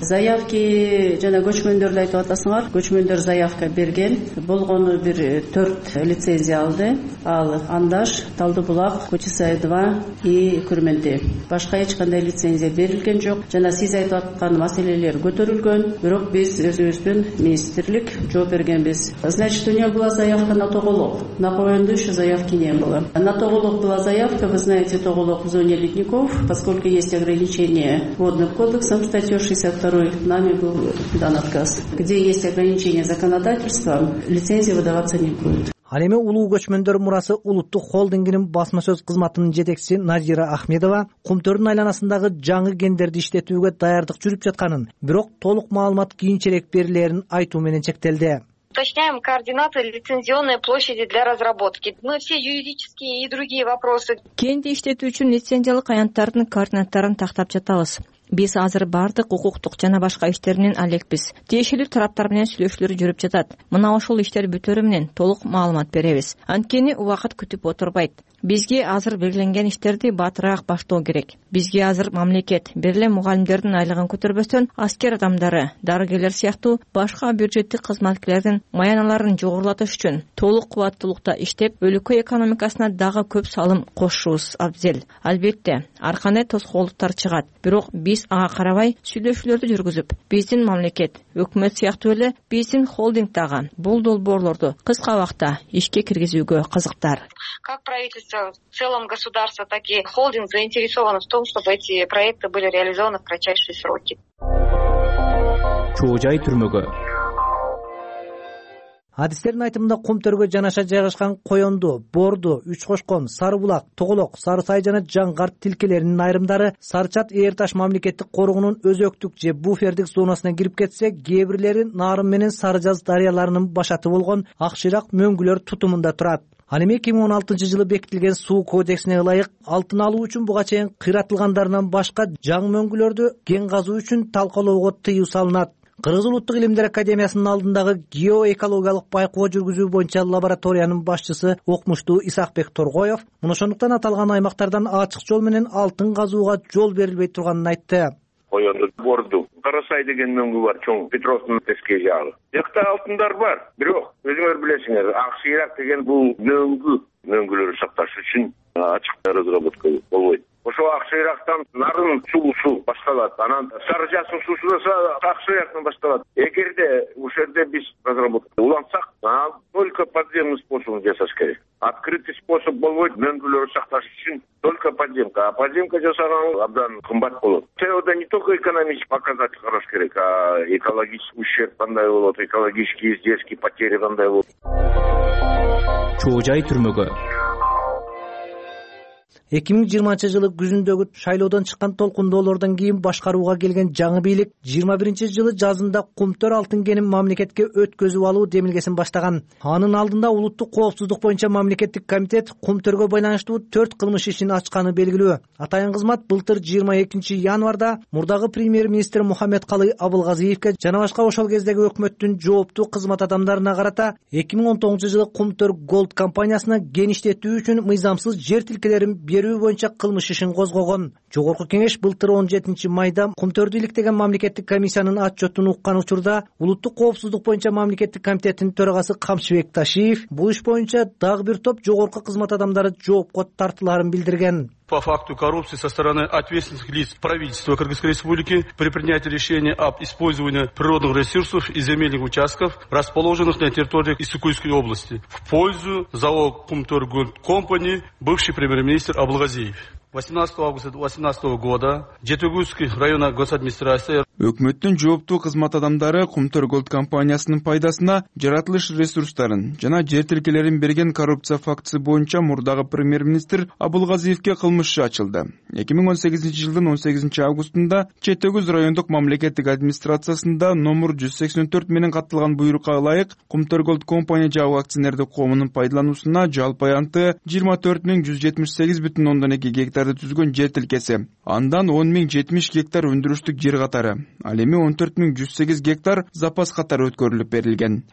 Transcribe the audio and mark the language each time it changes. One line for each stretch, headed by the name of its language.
Kyrgyz: Заявки жана көчмөндөрдү айтып атасыңар, көчмөндөр заявка берген. Болгону бир 4 лицензия алды. Ал Андаш, Талдыбулак, Кучусайдова и Күрмөндө. Башка эч кандай лицензия берилген жок. Жана сиз айтып аткан маселелер көтөрүлгөн, бирок биз өзүбүздүн министрлик жооп бергенбиз.
Russian: Значит, у неё была заявка на тоголок. На предыдущую заявки не было. На тоголок была заявка, вы знаете, тоголок в зоне ледников. Поскольку есть ограничения водным кодексом, статьей 62, нами был дан отказ. Где есть ограничения законодательства, лицензии выдаваться не будет.
Kyrgyz: Ал эми улуу көчмөндөр мурасы улуттук холдингинин басма сөз кызматынын жетекчиси Назира Ахмедова Кумтөрдүн айланасындагы жаңы кендерди иштетүүгө даярдык жүрүп жатканын, бирок толук маалымат кийинчерээк берилерин айтуу менен чектелди.
Russian: Уточняем координаты лицензионной площади для разработки. Мы все юридические и другие вопросы.
Kyrgyz: Кенди иштетүүчүн лицензиялык аянттардын координаттарын тактап жатабыз. Биз азыр бардык укуктук жана башка иштеринен алекпиз. Тиешелүү тараптар менен сүйлөшүүлөр жүрүп жатат. Мына ошол иштер бүтөрү менен толук маалымат беребиз. Анткени убакыт күтүп отурбайт. Бизге азыр белгиленген иштерди батыраак баштоо керек. Бизге азыр мамлекет, берилген мугалимдердин айлыгын көтөрбөстөн, аскер адамдары, дарыгерлер сыяктуу башка бюджеттик кызматкерлердин маяналарын жогорулатыш үчүн толук кубаттуулукта иштеп, өлкө экономикасына дагы көп салым кошушубуз абзел. Албетте, ар кандай тоскоолдуктар чыгат, бирок биз ага карабай сүйлөшүүлөрдү жүргүзүп, биздин мамлекет, өкмөт сыяктуу эле биздин холдинг дагы бул долбоорлорду кыска убакта ишке киргизүүгө кызыктар.
Russian: Как правительство, в целом государство, так и холдинг заинтересованы в том, чтобы эти проекты были реализованы в кратчайшие сроки. Чужой тюрьмы.
Kyrgyz: Адистердин айтымында Кумтөргө жанаша жайгашкан Коёнду, Борду, Үчкошкон, Сарыбулак, Тоголок, Сарысай жана Жаңгарт тилкелеринин айрымдары Сарчат Эрташ мамлекеттик коругунун өзөктүк же буфердик зонасына кирип кетсе, кээ бирлери Нарын менен Сарыжаз дарыяларынын башаты болгон ак ширак мөңгүлөр тутумунда турат. Ал эми 2016-жылы бекитилген суу кодексине ылайык алтын алуу үчүн буга чейин кыйратылгандарынан башка жаң мөңгүлөрдү кен казуу үчүн талкалоого тыюу салынат. Кыргыз улуттук илимдер академиясынын алдындагы геоэкологиялык байкоо жүргүзүү боюнча лабораториянын башчысы Окмуштуу Исакбек Торгоев мына ошондуктан аталган аймактардан ачык жол менен алтын казууга жол берилбей турганын айтты. Коёнду, Борду, Карасай деген мөңгү бар, чоң Петровдун эски жаалы. Жакта алтындар бар, бирок өзүңөр билесиңер, ак ширак деген бул мөңгү, мөңгүлөрдү сакташ үчүн ачык разработка болбойт. Ошо ак шыйрактан Нарын суусу башталат, анан Сарыжаз суусу да ак шыйрактан башталат. Эгерде ушул жерде биз разработка улансак, анан
Russian: только подземный способ
Kyrgyz: жасаш керек.
Russian: Открытый способ
Kyrgyz: болбойт, мөңгүлөрдү сакташ үчүн
Russian: только подземка. А подземка
Kyrgyz: жасаган абдан кымбат болот.
Russian: ТЭОда не только экономический показатель
Kyrgyz: караш керек,
Russian: а экологический ущерб
Kyrgyz: кандай болот,
Russian: экологический издержки, потери кандай болот. Чужой тюрьмы.
Kyrgyz: 2020-жылы күзүндөгү шайлоодон чыккан толкундоолордон кийин башкарууга келген жаңы бийлик 2021-жылы жазында Кумтөр алтын кенин мамлекетке өткөзүп алуу демилгесин баштаган. Анын алдында улуттук коопсуздук боюнча мамлекеттик комитет Кумтөргө байланыштуу 4 кылмыш ишин ачканы белгилүү. Атайын кызмат былтыр 22 январда мурдагы премьер-министр Мухаммедкалый Абылгазиевке жана башка ошол кездеги өкмөттүн жооптуу кызмат адамдарына карата 2019-жылы Кумтөр Голд компаниясына кен иштетүү үчүн мыйзамсыз жер тилкелерин берүү боюнча кылмыш ишин козгогон. Жогорку кеңеш былтыр 17 майда кумтөрдү иликтеген мамлекеттик комиссиянын отчетун уккан учурда улуттук коопсуздук боюнча мамлекеттик комитеттин төрагасы Камчыбек Ташиев бул иш боюнча дагы бир топ жогорку кызмат адамдары жоопко тартыларын билдирген.
Russian: По факту коррупции со стороны ответственных лиц правительства Кыргызской Республики при принятии решения об использовании природных ресурсов и земельных участков, расположенных на территории Иссык-Куйской области, в пользу ЗАО «Кумтургунт Компани» бывший премьер-министр Аблгазиев. 18 августа 2018 года Жетигузский районна госадминистрация
Kyrgyz: өкмөттүн жооптуу кызмат адамдары Кумтор Голд компаниясынын пайдасына жаратылыш ресурстарын жана жер тилкелерин берген коррупция фактысы боюнча мурдагы премьер-министр Абылгазиевке кылмыш иши ачылды. 2018 жылдын 18 августунда Жетигуз райондук мамлекеттик администрациясында номер 184 менен катталган буйрукка ылайык Кумтор Голд компания жабык акционердик коомунун пайдалануусуна жалпы аянты 24,178 гектарды түзгөн жер тилкеси, андан 10,070 гектар өндүрүштүк жер катары, ал эми 14,108 гектар запас катары өткөрүлүп берилген.